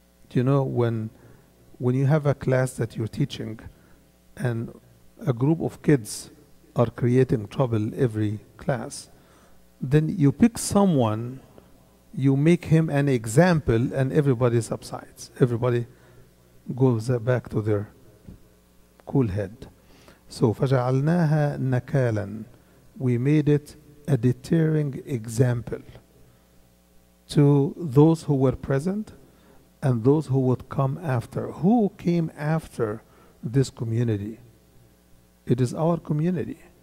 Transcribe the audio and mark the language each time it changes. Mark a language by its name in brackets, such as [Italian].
[English] Do you know when you have a class that you're teaching and a group of kids are creating trouble every class, then you pick someone, you make him an example, and everybody subsides. Everybody goes back to their cool head. [Arabic] So, فَجَعَلْنَاهَا نَكَالًا. [English] We made it a deterring example to those who were present and those who would come after. Who came after this community? It is our community.